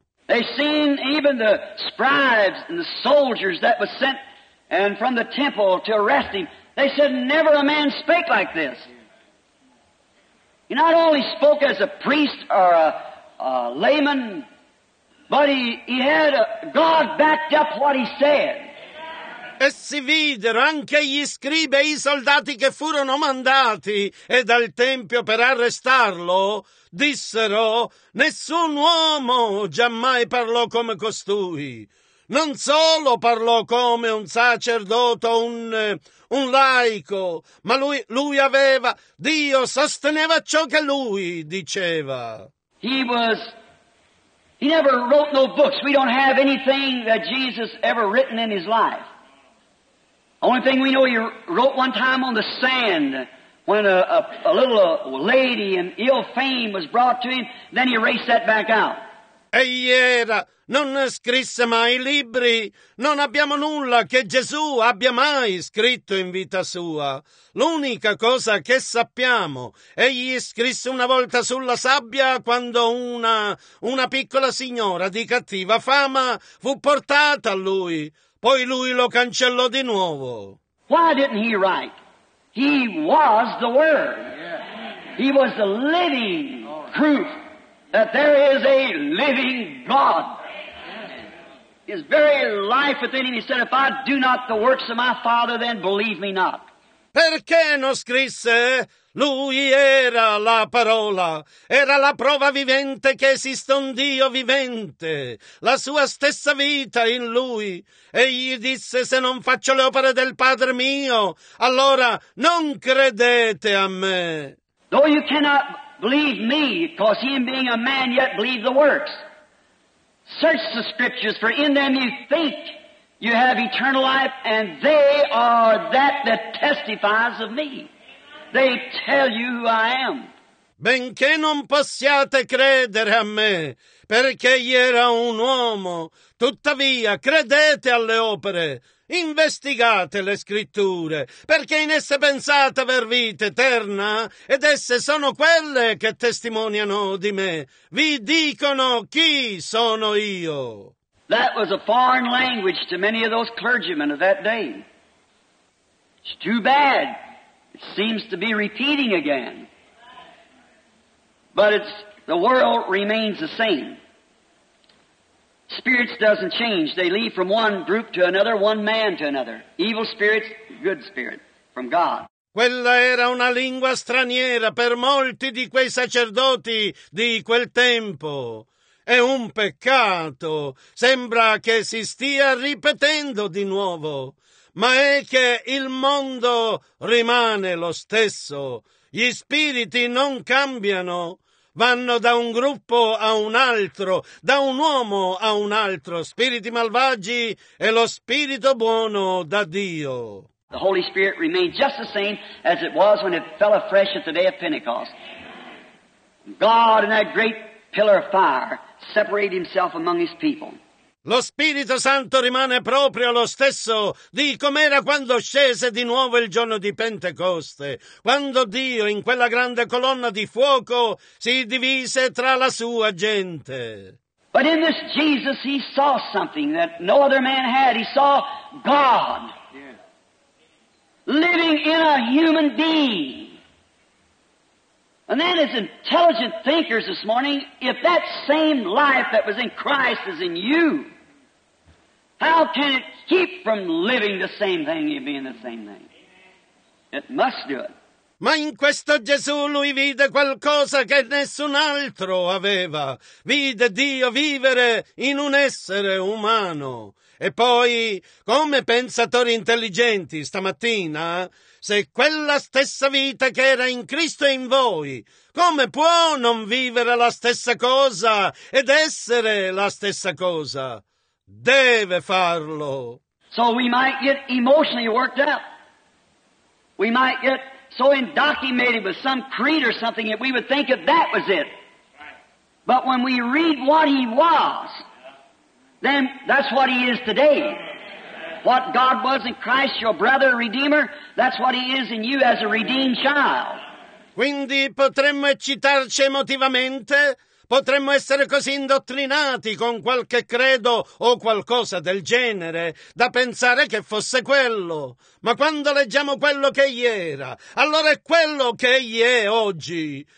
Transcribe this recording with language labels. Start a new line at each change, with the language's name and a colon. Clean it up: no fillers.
English: They seen even the scribes and the soldiers that was sent and from the temple to arrest him. They said, never a man spake like this. He not only spoke as a priest or a layman, but he had God backed up what he said.
Italian: E si videro anche gli scribi e i soldati che furono mandati e dal tempio per arrestarlo, dissero, nessun uomo giammai parlò come costui. Non solo parlò come un sacerdote, un laico, ma lui aveva, Dio sosteneva ciò che lui diceva.
English: He never wrote no books. We don't have anything that Jesus ever written in his life. Only thing we know, he wrote one time on the sand when a little lady in ill fame was brought to him, then he erased that back out.
Italian: Egli era, non scrisse mai libri, non abbiamo nulla che Gesù abbia mai scritto in vita sua. L'unica cosa che sappiamo, egli scrisse una volta sulla sabbia quando una piccola signora di cattiva fama fu portata a lui, poi lui lo cancellò di nuovo.
English: Why didn't he write? He was the Word. He was the living proof that there is a living God. His very life within him, he said, if I do not the works of my Father, then believe me not.
Italian: Perché non scrisse? Lui era la parola, era la prova vivente che esiste un Dio vivente, la sua stessa vita in lui. Egli disse, se non faccio le opere del Padre mio, allora non credete a me.
English: Though you cannot believe me, because he being a man yet believe the works. Search the scriptures, for in them you think you have eternal life, and they are that testifies of me. They tell you who I am.
Italian: Benché non possiate credere a me, perché io era un uomo, tuttavia credete alle opere, Investigate le scritture, perché in esse pensate aver vita eterna, ed esse sono quelle che testimoniano di me. Vi dicono chi sono io.
English: That was a foreign language to many of those clergymen of that day. It's too bad. It seems to be repeating again. But it's the world remains the same. Spirits doesn't change. They leave from one group to another, one man to another. Evil spirits, good spirits, from God.
Italian: Quella era una lingua straniera per molti di quei sacerdoti di quel tempo. È un peccato. Sembra che si stia ripetendo di nuovo. Ma è che il mondo rimane lo stesso. Gli spiriti non cambiano. Vanno da un gruppo a un altro, da un uomo a un altro, spiriti malvagi e lo spirito buono da Dio.
English: The Holy Spirit remained just the same as it was when it fell afresh at the day of Pentecost. God in that great pillar of fire separated himself among his people.
Italian: Lo Spirito Santo rimane proprio lo stesso di com'era quando scese di nuovo il giorno di Pentecoste, quando Dio in quella grande colonna di fuoco si divise tra la sua gente.
English: But in this Jesus he saw something that no other man had. He saw God living in a human being. And then as intelligent thinkers this morning, if that same life that was in Christ is in you, how can it keep from living the same thing and being the same thing? It must do it.
Italian: Ma in questo Gesù lui vide qualcosa che nessun altro aveva. Vide Dio vivere in un essere umano. E poi, come pensatori intelligenti stamattina, se quella stessa vita che era in Cristo è in voi, come può non vivere la stessa cosa ed essere la stessa cosa? Deve farlo.
English: So we might get emotionally worked up. We might get so indoctrinated with some creed or something that we would think that that was it. But when we read what he was, then that's what he is today. What God was in Christ, your brother, redeemer, that's what he is in you as a redeemed child.
Italian: Quindi potremmo eccitarci emotivamente? Potremmo essere così indottrinati con qualche credo o qualcosa del genere da pensare che fosse quello. Ma quando leggiamo quello che egli era, allora è quello che egli è oggi.